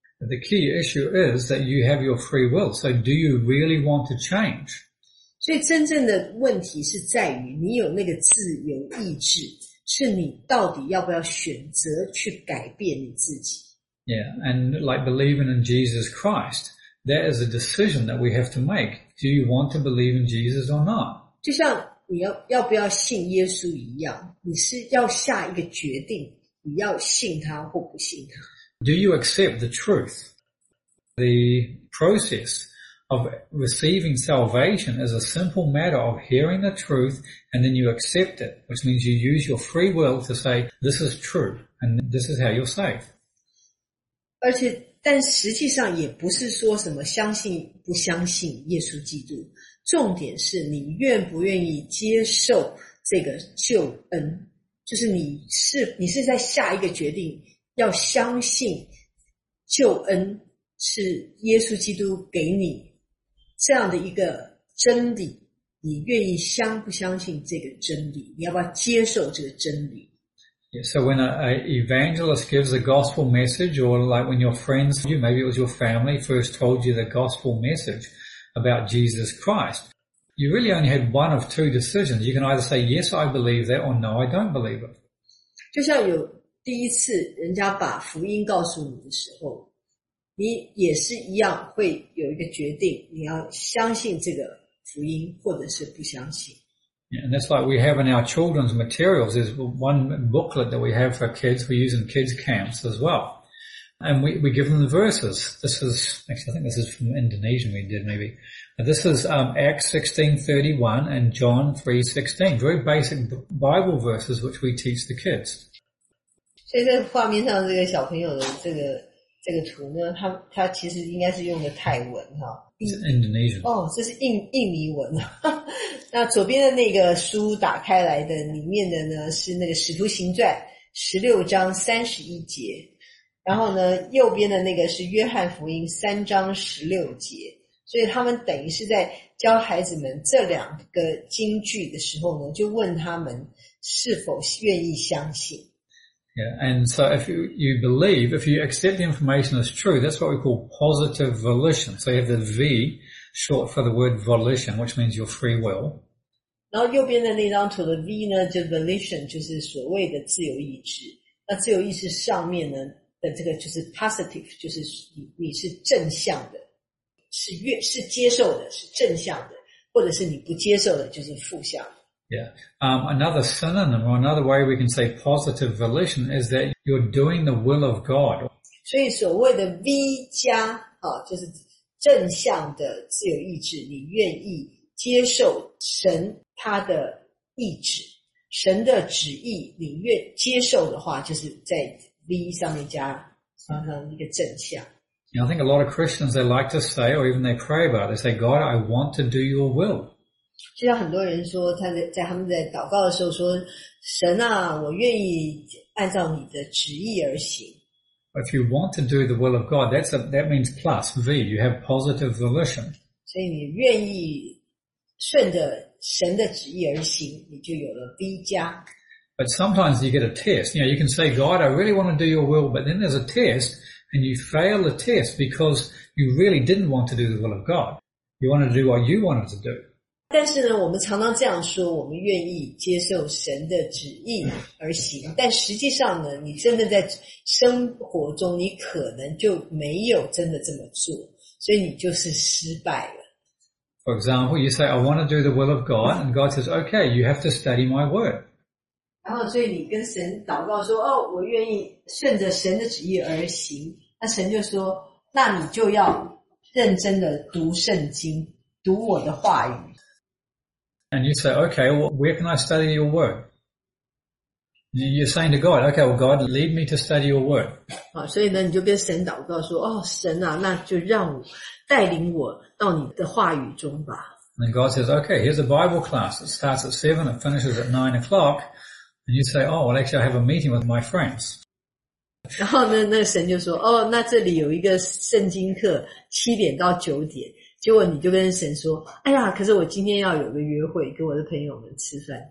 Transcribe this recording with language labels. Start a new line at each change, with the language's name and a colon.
English: The key issue is that you have your free will. So do you really want to change?
Chinese: 所以真正的问题是在于你有那个自由意志，是你到底要不要选择去改变你自己。
English: Yeah, and like believing in Jesus Christ, that is a decision that we have to make. Do you want to believe in Jesus or not?
Chinese: 就像你要不要信耶稣一样，你是要下一个决定，你要信他或不信他。
English: Do you accept the truth? The process of receiving salvation is a simple matter of hearing the truth and then you accept it, which means you use your free will to say, this is true and this is how you're saved.
Chinese: 而且但实际上也不是说什么相信不相信耶稣基督，重点是你愿不愿意接受这个救恩，就是你是在下一个决定要相信救恩是耶稣基督给你这样的一个真理，你愿意相不相信这个真理，你要不要接受这个真理。
English: Yeah, so when an evangelist gives a gospel message, or like when your friends, maybe it was your family, first told you the gospel message about Jesus Christ, you really only had one of two decisions. You can either say, yes, I believe that, or no, I don't believe it.
Chinese: 就像有第一次人家把福音告诉你的时候，你也是一样会有一个决定，你要相信这个福音或者是不相信。
English: Yeah, and that's like we have in our children's materials, there's one booklet that we have for kids, we use in kids' camps as well. And we give them the verses. This is, actually I think this is from Indonesian we did maybe. But this is Acts 16:31 and John 3:16. Very basic Bible verses which we teach the kids.
Chinese: 所以在画面上这个小朋友的这个图呢，他其实应该是用的泰文哈。
English: Indonesian。
Chinese: 哦，这是印尼文。那左边的那个书打开来的里面的呢，是那个《使徒行传》16:31。然后呢，右边的那个是《约翰福音》3:16。所以他们等于是在教孩子们这两个经句的时候呢，就问他们是否愿意相信。
English: Yeah, and so if you believe, if you accept the information as true, that's what we call positive volition. So you have the V, short for the word volition, which means your free will.
Chinese: 然后右边的那张图的 V 呢，就 volition 就是所谓的自由意志。那自由意志上面呢的这个就是 positive, 就是你是正向的，是接受的，是正向的，或者是你不接受的，就是负向的。
English: Yeah. Another synonym or another way we can say positive volition is that you're doing the will of God.
Chinese: 所以所谓的 V 加、哦、就是正向的自由意志，你愿意接受神他的意志，神的旨意你愿接受的话，就是在 V 上面加上一个正向。
English: You know, I think a lot of Christians, they like to say, or even they pray about, they say, God, I want to do your will.
Chinese: 就像很多人说在他们在祷告的时候说，神啊，我愿意按照你的旨意而行。
English: If you want to do the will of God, that means plus V, you have positive volition.
Chinese: 所以你愿意顺着神的旨意而行，你就有了 V 加。
English: But sometimes you get a test. You know, you can say, God, I really want to do your will, but then there's a test and you fail the test because you really didn't want to do the will of God. You wanted to do what you wanted to do.
Chinese: 但是呢，我们常常这样说，我们愿意接受神的旨意而行。但实际上呢，你真的在生活中，你可能就没有真的这么做，所以你就是失败了。
English: For example, you say, I want to do the will of God, and God says, okay, you have to study my word.
Chinese: 然后，所以你跟神祷告说，哦，我愿意顺着神的旨意而行。那神就说，那你就要认真的读圣经，读我的话语。 And you say, okay, well, where can I study your word? You're saying to God, okay, well, God, lead me to study your word. 好，所以呢，你就跟神祷告说，哦，神啊，那就让我带领我到你的话语中吧。
English: And God says, okay, here's a Bible class. It starts at 7, it finishes at 9:00. And you say, oh, well, actually, I have a meeting with my friends.
Chinese: 然后呢，那神就说，哦，那这里有一个圣经课，7:00-9:00。结果你就跟神说，哎呀，可是我今天要有个约会，跟我的朋友们吃饭。